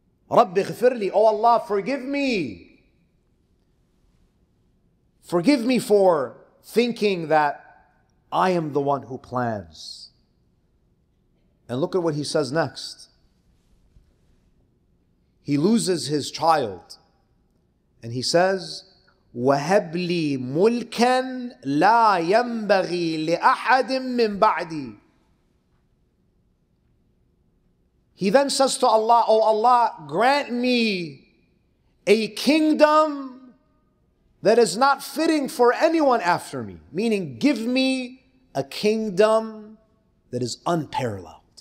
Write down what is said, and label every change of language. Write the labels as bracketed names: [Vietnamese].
[Arabic] رَبِّ اغْفِرْ لِي. [English] Oh Allah, forgive me. Forgive me for thinking that I am the one who plans. And look at what he says next. He loses his child. And he says, [Arabic] وَهَبْ لِي مُلْكًا لَا يَنْبَغِي لِأَحَدٍ مِّن بَعْدِي. [English] He then says to Allah, O Allah, grant me a kingdom that is not fitting for anyone after me. Meaning, give me a kingdom that is unparalleled.